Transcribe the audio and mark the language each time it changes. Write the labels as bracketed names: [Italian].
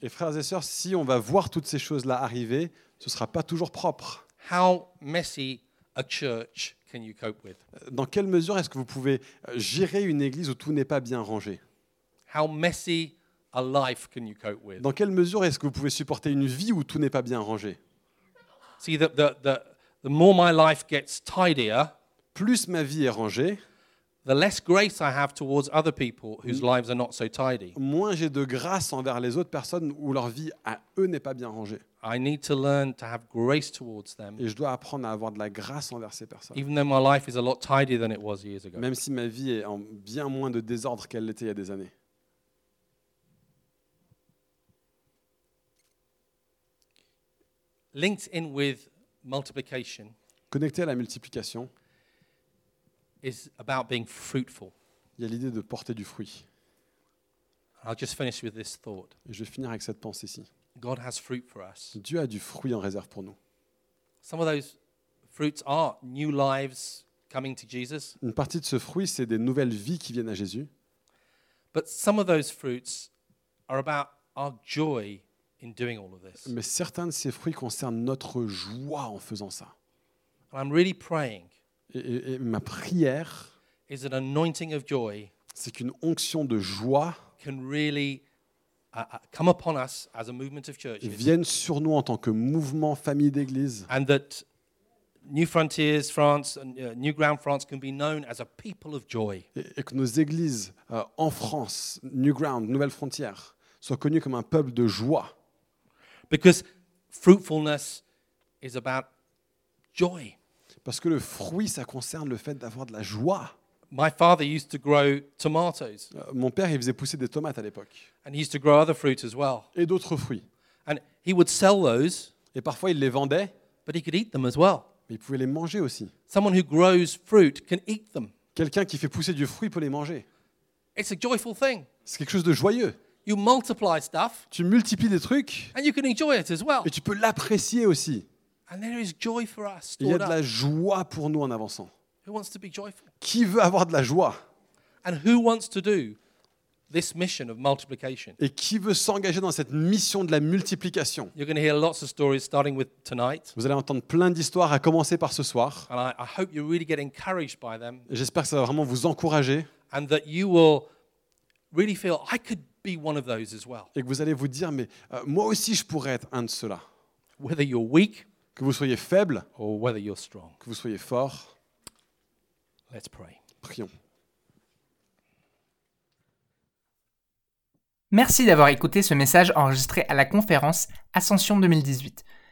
[French] Et frères et sœurs, si on va voir toutes ces choses là arriver, ce sera pas toujours propre. [English] How messy a church can you cope with? [French] Dans quelle mesure est-ce que vous pouvez gérer une église où tout n'est pas bien rangé? [English] How messy a life can you cope with? [French] Dans quelle mesure est-ce que vous pouvez supporter une vie où tout n'est pas bien rangé? [English] See, the more my life gets tidier, [French] plus ma vie est rangée, [English] the less grace I have towards other people whose lives are not so tidy. [French] Moins j'ai de grâce envers les autres personnes où leur vie à eux n'est pas bien rangée. [English] I need to learn to have grace towards them. [French] Et je dois apprendre à avoir de la grâce envers ces personnes. [English] Even though my life is a lot tidier than it was years ago. [French] Même si ma vie est en bien moins de désordre qu'elle l'était il y a des années. [English] Linked in with multiplication. [French] Connecté à la multiplication. [English] Is about being fruitful. [French] Il y a l'idée de porter du fruit. [English] I'll just finish with this thought. [French] Et je vais finir avec cette pensée-ci. [English] God has fruit for us. [French] Dieu a du fruit en réserve pour nous. [English] Some of those fruits are new lives coming to Jesus. [French] Une partie de ce fruit, c'est des nouvelles vies qui viennent à Jésus. [English] But some of those fruits are about our joy in doing all of this. [French] Mais certains de ces fruits concernent notre joie en faisant ça. [English] And I'm really praying. [French] Et ma prière, [English] is an anointing of joy, [French] c'est qu'une onction de joie [English] can really come upon us as a movement of churches, [French] vienne sur nous en tant que mouvement famille d'église, [English] and that New Frontiers France and New Ground France can be known as a people of joy. [French] Et que nos églises en France, New Ground, Nouvelle Frontière, soient connues comme un peuple de joie. [English] Because fruitfulness is about joy. [French] Parce que le fruit, ça concerne le fait d'avoir de la joie. [English] My father used to grow tomatoes. [French] Mon père, il faisait pousser des tomates à l'époque. [English] And he used to grow other fruit as well. [French] Et d'autres fruits. [English] And he would sell those. [French] Et parfois, il les vendait. [English] But he could eat them as well. [French] Mais il pouvait les manger aussi. [English] Someone who grows fruit can eat them. [French] Quelqu'un qui fait pousser du fruit peut les manger. [English] It's a joyful thing. [French] C'est quelque chose de joyeux. [English] You multiply stuff. [French] Tu multiplies des trucs. [English] And you can enjoy it as well. [French] Et tu peux l'apprécier aussi. [English] And there is joy for us. [French] Il y a de la joie pour nous en avançant. [English] Who wants to be joyful? [French] Qui veut avoir de la joie? [English] And who wants to do this mission of multiplication? [French] Et qui veut s'engager dans cette mission de la multiplication? [English] You're going to hear lots of stories starting with tonight. [French] Vous allez entendre plein d'histoires à commencer par ce soir. [English] And I hope you really get encouraged by them. [French] Et j'espère que ça va vraiment vous encourager. [English] And that you will really feel I could be one of those as well. [French] Et que vous allez vous dire mais moi aussi je pourrais être un de ceux-là. [English] Whether you're weak, [French] que vous soyez faible, [English] or whether you're strong, [French] que vous soyez fort. [English] Let's pray. [French] Prions. Merci d'avoir écouté ce message enregistré à la conférence Ascension 2018.